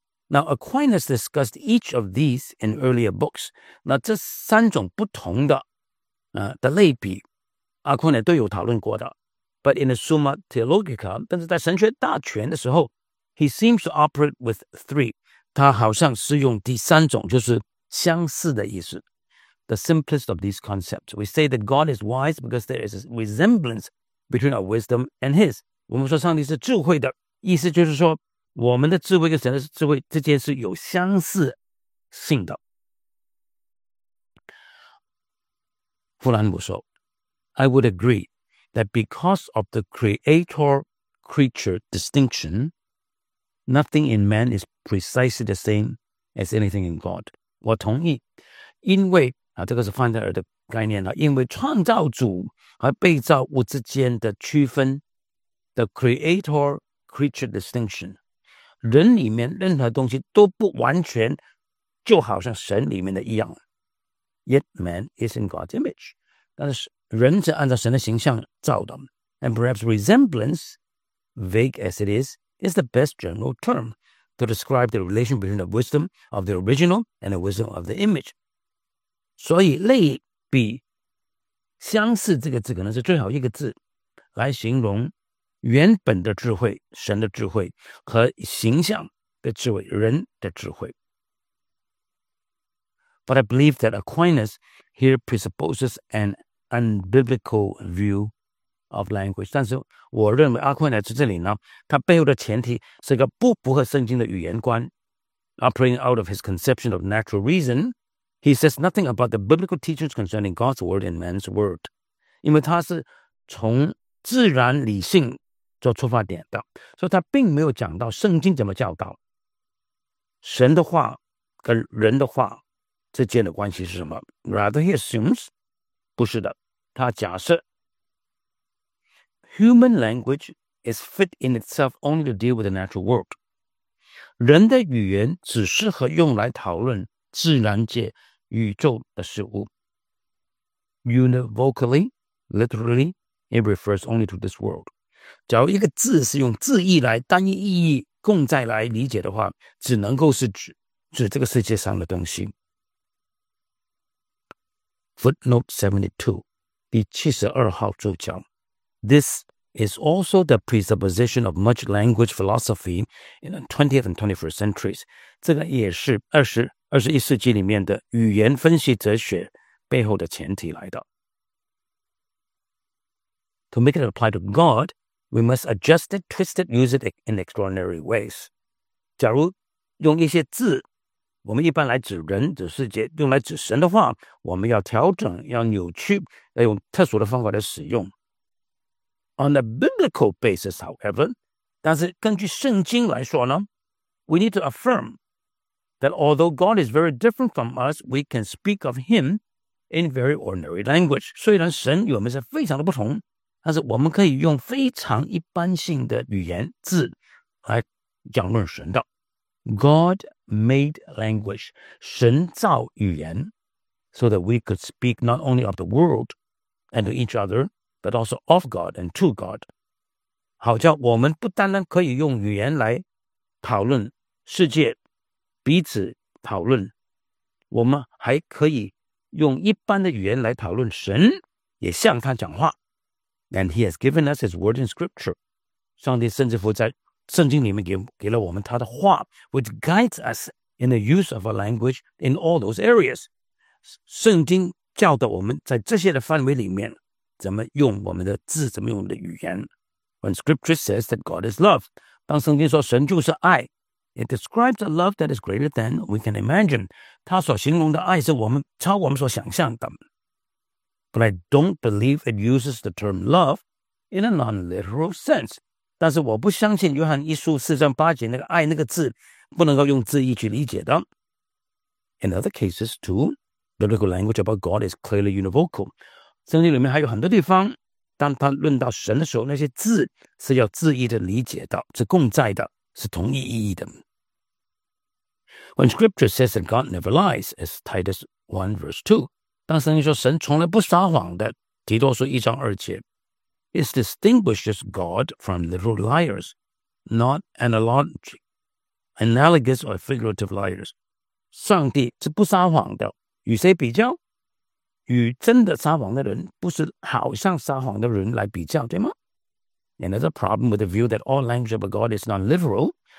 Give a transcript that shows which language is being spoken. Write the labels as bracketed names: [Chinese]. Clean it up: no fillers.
[English] Now Aquinas discussed each of these in earlier books. [Chinese] 那这三种不同的的类比阿奎那都有讨论过的。 [English] But in the Summa Theologica, [Chinese] 但是在神学大全的时候， [English] he seems to operate with three. [Chinese] 他好像是用第三种，就是相似的意思。 [English] The simplest of these concepts, we say that God is wise because there is a resemblance between our wisdom and his. [Chinese] 我们说上帝是智慧的，意思就是说我们的智慧跟神的智慧之间是有相似信的。弗兰姆说 [English] I would agree that because of the creator-creature distinction, nothing in man is precisely the same as anything in God. [Chinese] 我同意，因为啊，这个是范德尔的概念了，因为创造主和被造物之间的区分 [English] the creator-creature distinction, [Chinese] 人里面任何东西都不完全就好像神里面的一样。 [English] Yet man is in God's image. [Chinese] 但是人是按照神的形象造的。 [English] And perhaps resemblance, vague as it is the best general term to describe the relation between the wisdom of the original and the wisdom of the image. [Chinese] 所以类比相似这个字可能是最好一个字来形容原本的智慧神的智慧和形象的智慧人的智慧。 [English] But I believe that Aquinas here presupposes an unbiblical view of language. [Chinese] 但是我认为阿奎那在这里呢，他背后的前提是个不符合圣经的语言观。 [English] Operating out of his conception of natural reason, he says nothing about the biblical teachings concerning God's word and man's word. [Chinese] 因为他是从自然理性做出发点的，所以他并没有讲到圣经怎么教导神的话跟人的话。之间的关系是什么 [English] Rather, he assumes, [Chinese] 不是的，他假设 [English] Human language is fit in itself only to deal with the natural world. [Chinese] 人的语言只适合用来讨论自然界宇宙的事物。 [English] Univocally, literally, it refers only to this world. [Chinese] 假如一个字是用字义来单一意义共在来理解的话，只能够是指这个世界上的东西。 [English] Footnote 72, This is also the presupposition of much language philosophy in the 20th and 21st centuries. [Chinese] 这个也是21世纪里面的语言分析哲学背后的前提来的。 [English] To make it apply to God, we must adjust it, twist it, use it in extraordinary ways. [Chinese] 假如用一些字我们一般来指人指世界用来指神的话我们要调整要扭曲要用特殊的方法来使用。 [English] On a biblical basis, however, [Chinese] 但是根据圣经来说呢 [English] we need to affirm that although God is very different from us, we can speak of him in very ordinary language. [Chinese] 虽然神与我们是非常的不同但是我们可以用非常一般性的语言字来讲论神的。 [English] God made language, [Chinese] 神造语言 [English] so that we could speak not only of the world and to each other, but also of God and to God. [Chinese] 好叫我们不单单可以用语言来讨论世界，彼此讨论，我们还可以用一般的语言来讨论神，也向他讲话。 [English] And he has given us his word in scripture. [Chinese] 上帝甚至乎在圣经里面 给了我们他的话 [English] which guides us in the use of our language in all those areas. [Chinese] 圣经教导我们在这些的范围里面怎么用我们的字怎么用我们的语言。 [English] When scripture says that God is love, [Chinese] 当圣经说神就是爱 [English] it describes a love that is greater than we can imagine. [Chinese] 他所形容的爱是我们超我们所想象的。 [English] But I don't believe it uses the term love in a non-literal sense. [Chinese] 但是我不相信约翰一书四章八节那个爱那个字不能够用字义去理解的。 [English] In other cases too, biblical language about God is clearly univocal. [Chinese] 圣经里面还有很多地方当他论到神的时候那些字是要字义的理解的是共在的是同一意义的。 [English] When scripture says that God never lies, as Titus 1 verse 2, [Chinese] 当圣经说神从来不撒谎的提多书一章二节。 [English] It distinguishes God from literal liars, not analogous or figurative liars. [Chinese] 上帝是不撒谎的，与谁比较？与真的撒谎的人，不是好像撒谎的人来比较，对吗？ [English] And there's a problem with the view that all language of God is non-literal.